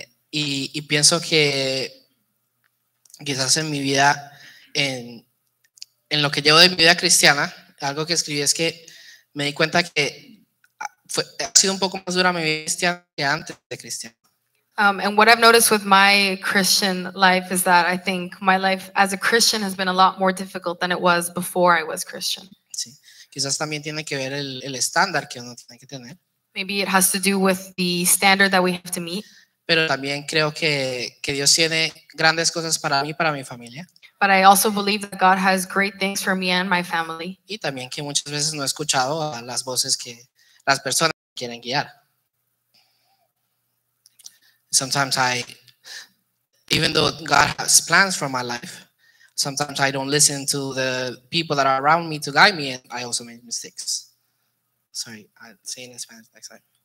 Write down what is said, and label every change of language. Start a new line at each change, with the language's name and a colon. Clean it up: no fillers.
Spanish: y pienso que quizás en mi vida, en lo que llevo de mi vida cristiana, algo que escribí es que me di cuenta que fue, ha sido un poco más dura mi vida cristiana que antes de cristiana.
English: And what I've noticed with my Christian life is that I think my life as a Christian has been a lot more difficult than it was before I was Christian.
Spanish: Sí. Quizás también tiene que ver el estándar que uno tiene que tener.
English: Maybe it has to do with the standard that we have to meet.
Spanish: Pero también creo que Dios tiene grandes cosas para mí y para mi familia.
English: But I also believe that God has great things for me and my family.
Spanish: Y también que muchas veces no he escuchado a las voces que las personas quieren guiar.
English: Sometimes I, even though God has plans for my life, sometimes I don't listen to the people that are around me to guide me, and I also make mistakes. Sorry, I'll say in Spanish next time.